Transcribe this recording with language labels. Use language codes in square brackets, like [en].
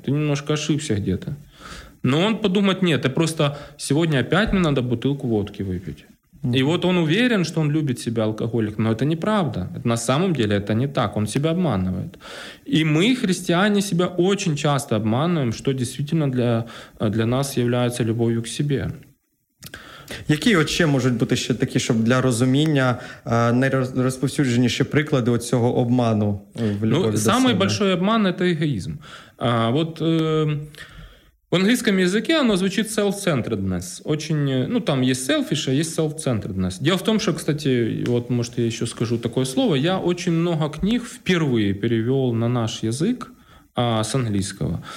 [ru] Ты немножко ошибся где-то. Но он подумает, нет, я просто сегодня опять мне надо бутылку водки выпить. И вот он уверен, что он любит себя алкоголик, но это неправда. На самом деле это не так, он себя обманывает. И мы, христиане, себя очень часто обманываем, что действительно для нас является любовью к себе. [uk] Які от ще можуть бути ще такі, щоб для розуміння найрозповсюдженіші приклади оцього обману в любові? Ну, самий большой обман – це егоїзм. [ru] В английском языке оно звучит self-centeredness. Очень, ну, там есть selfish, а есть self-centeredness. Дело в том, что, кстати, вот, может, я еще скажу такое слово. Я очень много книг впервые перевел на наш язык с английского.